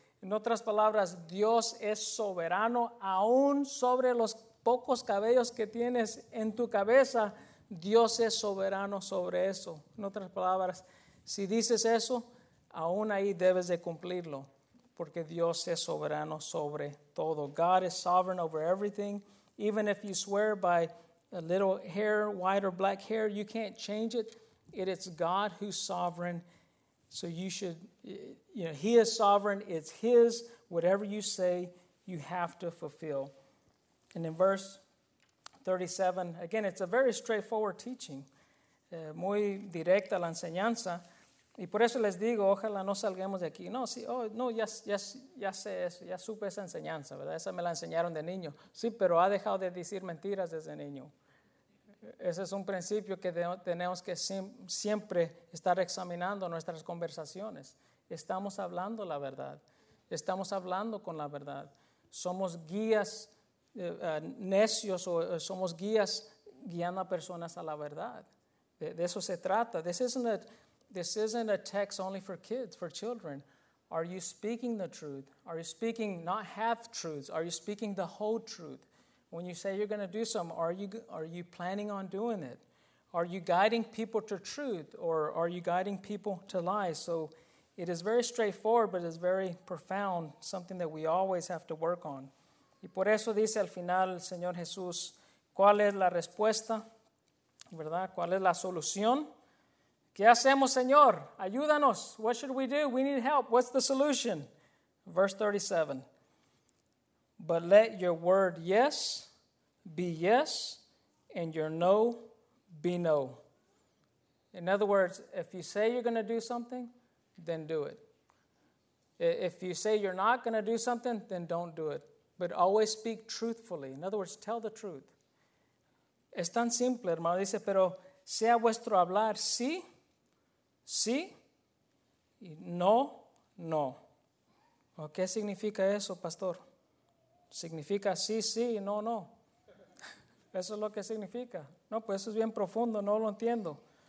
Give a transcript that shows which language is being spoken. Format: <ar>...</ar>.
<es>En otras palabras, Dios es soberano aún sobre los pocos cabellos que tienes en tu cabeza. Dios es soberano sobre eso. En otras palabras, si dices eso, aún ahí debes de cumplirlo, porque Dios es soberano sobre todo.</es> <en>God is sovereign over everything. Even if you swear by a little hair, white or black hair, you can't change it. It is God who's sovereign. So you should, you know, he is sovereign. It's his. Whatever you say, you have to fulfill. And in verse 37, again, it's a very straightforward teaching.</en> <es>Muy directa la enseñanza. Y por eso les digo, ojalá no salgamos de aquí. No, sí, oh, no, ya sé eso, ya supe esa enseñanza, ¿verdad? Esa me la enseñaron de niño. Sí, pero ha dejado de decir mentiras desde niño. Ese es un principio que tenemos que siempre estar examinando nuestras conversaciones. Estamos hablando la verdad. Estamos hablando con la verdad. Somos guías necios o somos guías guiando a personas a la verdad. De eso se trata.</es> <en>This isn't a text only for kids, for children. Are you speaking the truth? Are you speaking not half truths? Are you speaking the whole truth? When you say you're going to do something, are you planning on doing it? Are you guiding people to truth, or are you guiding people to lies? So it is very straightforward, but it's very profound, something that we always have to work on.</en> <es>Y por eso dice al final el Señor Jesús, ¿cuál es la respuesta? ¿Verdad? ¿Cuál es la solución? ¿Qué hacemos, Señor? Ayúdanos.</es> <en>What should we do? We need help. What's the solution? Verse 37. But let your word yes be yes, and your no be no. In other words, if you say you're going to do something, then do it. If you say you're not going to do something, then don't do it. But always speak truthfully. In other words, tell the truth.</en> <es>Es tan simple, hermano. Dice, pero sea vuestro hablar sí, sí, y no, no. ¿O qué significa eso, pastor? Significa sí, sí, no, no. Eso es lo que significa. No, pues eso es bien profundo, no lo entiendo.</es>